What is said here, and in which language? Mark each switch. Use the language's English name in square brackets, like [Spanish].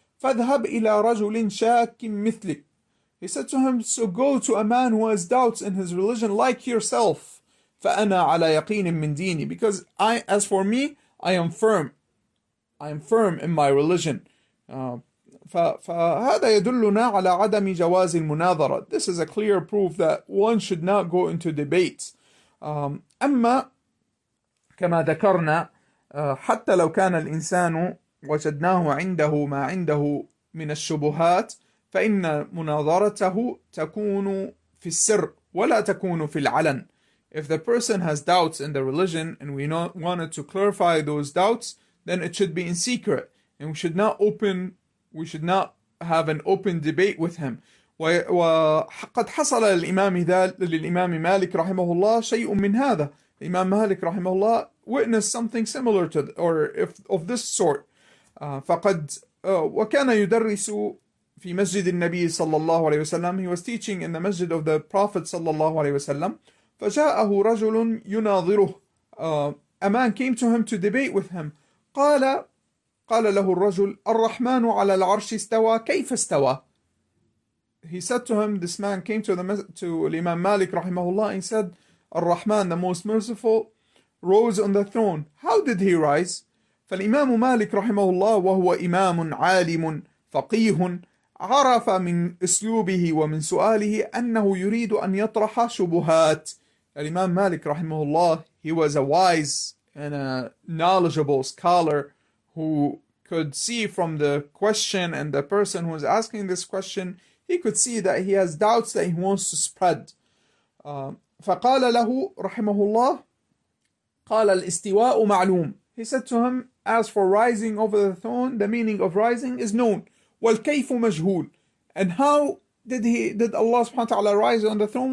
[Arabic] فذهب إلى رجل شاك مثلك. [English] He said to him, so go to a man who has doubts in his religion like yourself. [Arabic] فَأَنَا عَلَى يَقِينٍ مِّن دِينِي. [English] Because I, as for me, I am firm. I am firm in my religion. [Arabic] فَهَذَا يَدُلُّنَا عَلَى عَدَمِ جَوَازِ الْمُنَاظَرَةِ. [English] This is a clear proof that one should not go into debates. [Arabic] أَمَّا كَمَا ذَكَرْنَا حَتَّى لَوْ كَانَ الْإِنسَانُ وَجَدْنَاهُ عِنْدَهُ مَا عِنْدَهُ مِنَ الشُّبُهَاتِ فإن مناظرته تكون في السر ولا تكون في العلن. [English] If the person has doubts in the religion and we not wanted to clarify those doubts, then it should be in secret and we should not open. We should not have an open debate with him. [Arabic] وقد حصل للإمام مالك رحمه الله شيء من هذا. [English] الإمام مالك رحمه الله witnessed something similar to or if of this sort. [Arabic] فقد وكان يدرس في مسجد النبي صلى الله عليه وسلم. [English] He was teaching in the masjid of the Prophet صلى الله عليه وسلم. [Arabic] فجاءه رجل يناظره. [English] A man came to him to debate with him. [Arabic] قال له الرجل الرحمن على العرش استوى كيف استوى. [English] He said to him, this man came to Imam Malik رحمه الله. He said, الرحمن, the most merciful, rose on the throne. How did he rise? [Arabic] فالإمام مالك رحمه الله وهو إمام عالم فقيه عرف من أسلوبه ومن سؤاله أنه يريد أن يطرح شبهات. [English] الإمام مالك رحمه الله, he was a wise and a knowledgeable scholar who could see from the question and the person who was asking this question, he could see that he has doubts that he wants to spread. [Arabic] فقال له رحمه الله قال الاستواء معلوم. [English] He said to him, as for rising over the throne, the meaning of rising is known. [Arabic] والكيف مجهول. [English] And how did Allah subhanahu wa ta'ala rise on the throne?